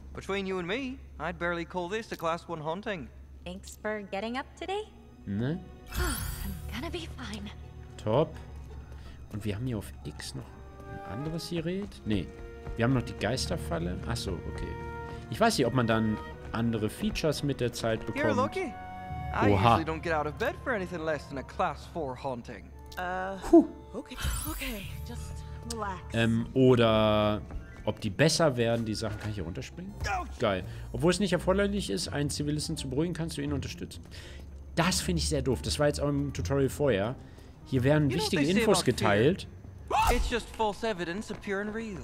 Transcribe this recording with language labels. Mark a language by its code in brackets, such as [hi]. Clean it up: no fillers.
[en] Between you and me, I'd barely call this a class one haunting. Thanks for getting up today. [de] Ne? [en] I'm gonna be fine. [de] Top. Und wir haben hier auf X noch ein anderes Gerät? Nee. Wir haben noch die Geisterfalle. Achso, okay. Ich weiß nicht, ob man dann andere Features mit der Zeit bekommt. [en] You're lucky. I usually don't get out of bed for anything less than a class 4 haunting. Okay, just relax. [de] Oder ob die besser werden, die Sachen, kann ich hier runterspringen? Geil. Obwohl es nicht erforderlich ist, einen Zivilisten zu beruhigen, kannst du ihn unterstützen. Das finde ich sehr doof. Das war jetzt auch im Tutorial vorher. Hier werden wichtige Infos geteilt. [en] It's just false evidence, pure and real.